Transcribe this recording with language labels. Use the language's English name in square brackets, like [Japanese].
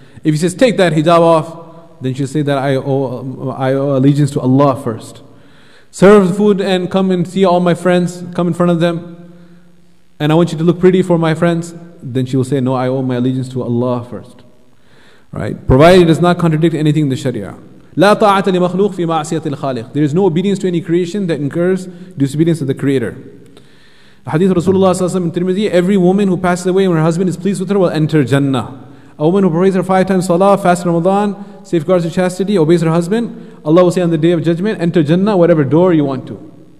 [English] If he says, take that hijab off, then she'll say that I owe allegiance to Allah first. Serve the food and come and see all my friends, come in front of them, and I want you to look pretty for my friends. Then she will say, no, I owe my allegiance to Allah first. Right? Provided it does not contradict anything in the sharia. [Arabic] لا طاعة لمخلوق في معصية الخالق. [English] There is no obedience to any creation that incurs disobedience of the Creator. The hadith of Rasulullah ﷺ in Tirmidhi, every woman who passes away when her husband is pleased with her will enter Jannah. A woman who prays her 5 times salah, fasts Ramadan, safeguards her chastity, obeys her husband, Allah will say on the day of judgment, enter Jannah, whatever door you want to.